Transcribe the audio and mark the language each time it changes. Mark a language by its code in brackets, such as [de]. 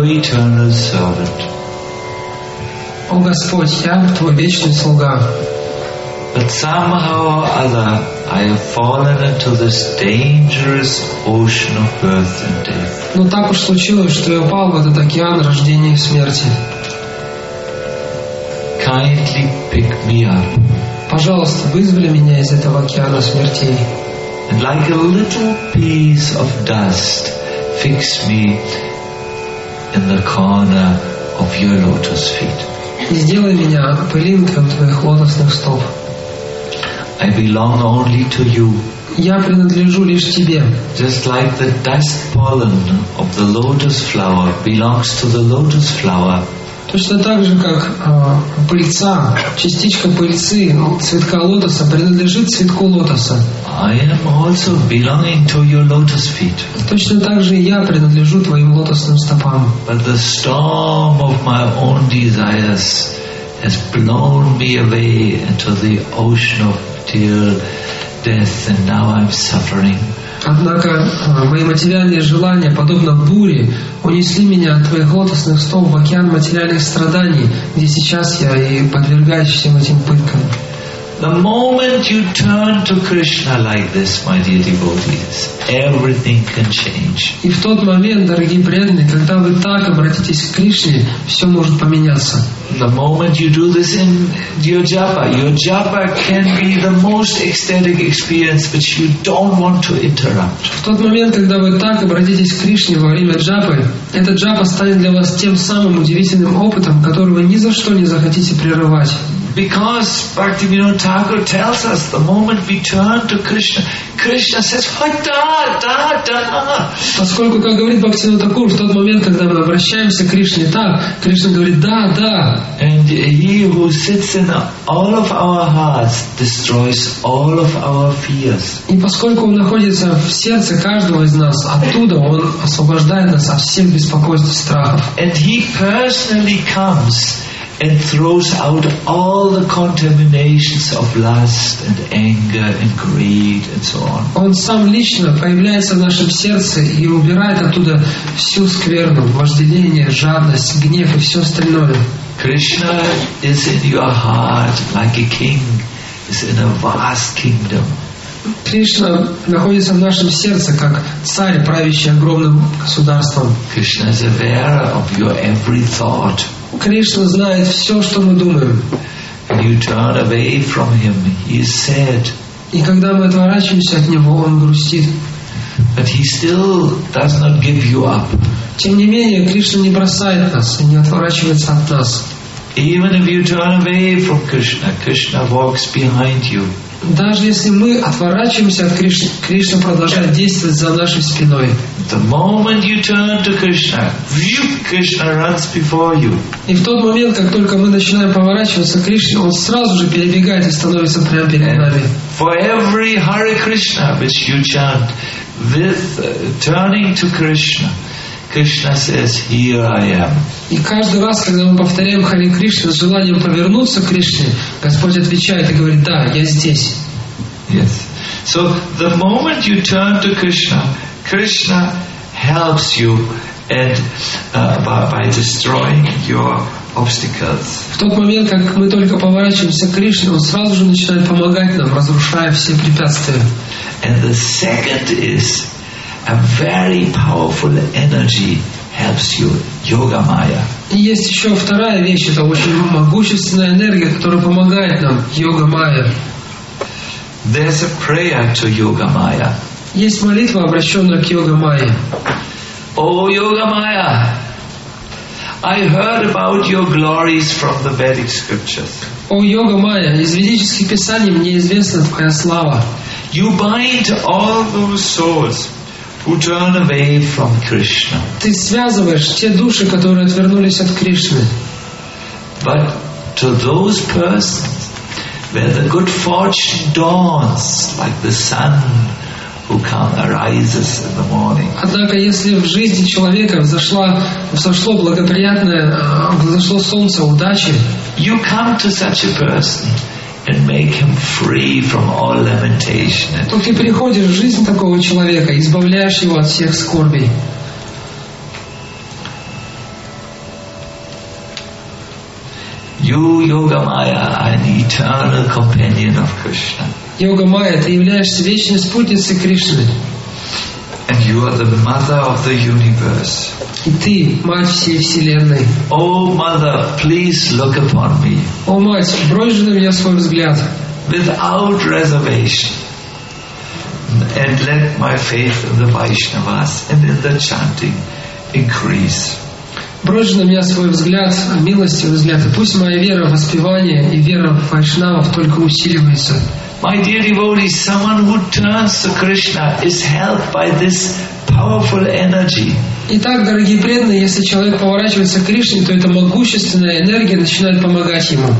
[ru] О Господь, я твой вечный слуга. [en] But somehow or other, I have fallen into this dangerous ocean of birth and death. [ru] Но так уж случилось, что я упал в этот океан рождения и смерти. [en] Kindly pick me up. [ru] Пожалуйста, вызволи меня из этого океана смертей. [en] And like a little piece of dust, fix me in the corner of your lotus feet. [ru] И сделай меня пылинком твоих лотосных стоп. [en] I belong only to you. [ru] Я принадлежу лишь тебе. [en] Just like the dust pollen of the lotus flower belongs to the lotus flower, [ru] Точно так же, как пыльца, частичка пыльцы, цветка лотоса, принадлежит цветку лотоса. [en] I am also belonging to your lotus feet. [ru] Точно так же я принадлежу твоим лотосным стопам. [en] But the storm of my own desires has blown me away into the ocean of till death, and now I'm suffering. [ru] Однако мои материальные желания, подобно буре, унесли меня от твоих лотосных стоп в океан материальных страданий, где сейчас я и подвергаюсь всем этим пыткам. [en] The moment you turn to Krishna like this, my dear devotees, everything can change. [ru] И в тот момент, дорогие преданные, когда вы так обратитесь к Кришне, все может поменяться. [en] The moment you do this in your japa can be the most ecstatic experience, but you don't want to interrupt. [ru] В тот момент, когда вы так обратитесь к Кришне во время джапы, эта джапа станет для вас тем самым удивительным опытом, который вы ни за что не захотите прерывать. [en] Because Bhaktivinoda Thakur tells us the moment we turn to Krishna, Krishna says, "Hata, da, da." [ru] Поскольку, как говорит Бхактивинода Такур, в тот момент, когда мы обращаемся к Кришне, так, Кришна говорит, да, да. [en] And he who sits in all of our hearts destroys all of our fears. [ru] И поскольку он находится в сердце каждого из нас, оттуда он освобождает нас от всех беспокойств и страхов. [en] And he personally comes and throws out all the contaminations of lust and anger and greed and so on. [ru] Он сам лично появляется в нашем сердце и убирает оттуда всю скверну, вожделение, жадность, гнев и все остальное. [en] Krishna is in your heart like a king is in a vast kingdom. [ru] Кришна находится в нашем сердце как царь, правящий огромным государством. [en] Krishna is aware of your every thought. [ru] Кришна знает все, что мы думаем. [en] And you turn away from him, he is sad. [ru] И когда мы отворачиваемся от него, он грустит. [en] But he still does not give you up. [ru] Тем не менее, Кришна не бросает нас и не отворачивается от нас. [en] Even if you turn away from Krishna, Krishna walks behind you. [ru] Даже если мы отворачиваемся от Кришны, Кришна продолжает действовать за нашей спиной. [en] The moment you turn to Krishna, Krishna runs before you. [ru] И в тот момент, как только мы начинаем поворачиваться к Кришне, он сразу же перебегает и становится прямо перед нами. [en] For every Hare Krishna which you chant with turning to Krishna, Krishna says, "Here I am." [ru] И каждый раз, когда мы повторяем Хари Кришна с желанием повернуться к Кришне, Господь отвечает и говорит: "Да, я здесь." [en] Yes. So the moment you turn to Krishna, Krishna helps you and by destroying your obstacles. [ru] В тот момент, как мы только поворачиваемся к Кришне, он сразу же начинает помогать нам, разрушая все препятствия. [en] And the second is a very powerful energy helps you, yoga maya. [ru] И есть еще вторая вещь, это очень могущественная энергия, которая помогает нам, йога майя. [en] There's a prayer to yoga maya. [ru] Есть молитва, обращенная к йога майе. О, йога майя! [en] I heard about your glories from the Vedic scriptures. [ru] О, йога майя, из ведических писаний мне известна твоя слава. [en] You bind all those souls who turn away from Krishna. [ru] Ты связываешь те души, которые отвернулись от Кришны. [en] But to those persons where the good fortune dawns like the sun who comes arises in the morning. [ru] Однако если в жизни человека взошло благоприятное, взошло солнце удачи, [en] you come to such a person and make him free from all lamentation. [ru] Тут ты приходишь в жизнь такого человека, избавляешь его от всех скорбей. [en] You, Yoga Maya, are an eternal companion of Krishna. [ru] Yoga Maya, ты являешься вечной спутницей Кришны. [en] And you are the mother of the universe. [ru] И ты мать всей вселенной. [en] О, mother, please look upon me. [ru] О, мать, брось же на меня свой взгляд. [en] Without reservation. And let my faith in the Vaishnavas and in the chanting increase. [ru] Брось же на меня свой взгляд, милостивый взгляд. И пусть моя вера в воспевание и вера в вайшнавов только усиливается. [en] My dear devotees, someone who turns to Krishna is helped by this powerful energy. [ru] Итак, дорогие преданные, если человек поворачивается к Кришне, то эта могущественная энергия начинает помогать ему.